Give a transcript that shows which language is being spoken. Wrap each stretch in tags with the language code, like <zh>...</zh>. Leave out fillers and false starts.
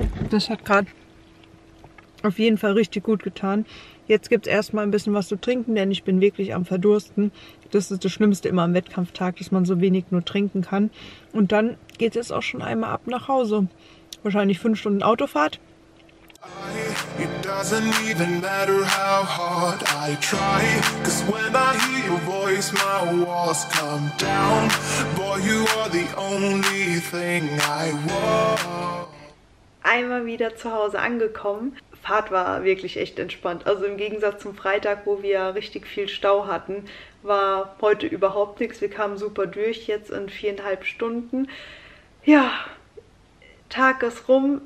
<de>Das hat gerade auf jeden Fall richtig gut getan. Jetzt gibt es erstmal ein bisschen was zu trinken, denn ich bin wirklich am Verdursten. Das ist das Schlimmste immer am Wettkampftag, dass man so wenig nur trinken kann. Und dann geht es auch schon einmal ab nach Hause. Wahrscheinlich 5 Stunden Autofahrt.</de> <en>It doesn't even matter how hard I try. Cause when I hear your voice, my walls come down. Boy, you are the only thing I want.</en> <de>Einmal wieder zu Hause angekommen. Fahrt war wirklich echt entspannt. Also im Gegensatz zum Freitag, wo wir richtig viel Stau hatten, war heute überhaupt nichts. Wir kamen super durch jetzt in 4,5 Stunden. Ja, Tag ist rum.</de>